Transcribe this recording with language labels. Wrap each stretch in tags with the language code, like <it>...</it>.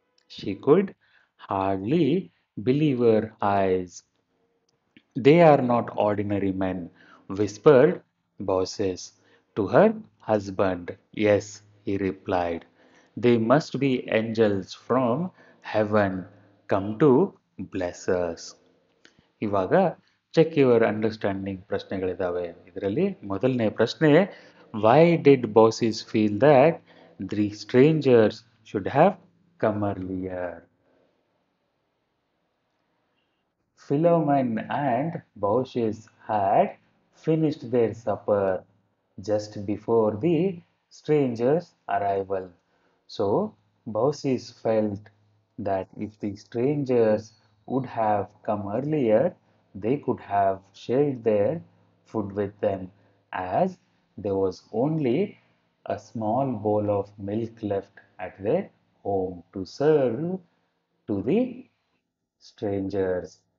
<en>She could hardly believe her eyes. They are not ordinary men, whispered Baucis to her Husband, yes, he replied. They must be angels from heaven come to bless us.</en> <kn>ಇವಾಗ</kn> <en>check your understanding</en> <kn>ಪ್ರಶ್ನೆಗಳಿದ್ದಾವೆ. ಇದರಲ್ಲಿ ಮೊದಲನೇ ಪ್ರಶ್ನೆ,</kn> <en>Why did Baucis feel that the strangers should have come earlier? Philemon and Baucis had finished their supper just before the strangers' arrival. So Baucis felt that if the strangers would have come earlier, they could have shared their food with them as there was only a small bowl of milk left at their home to serve to the strangers.</en>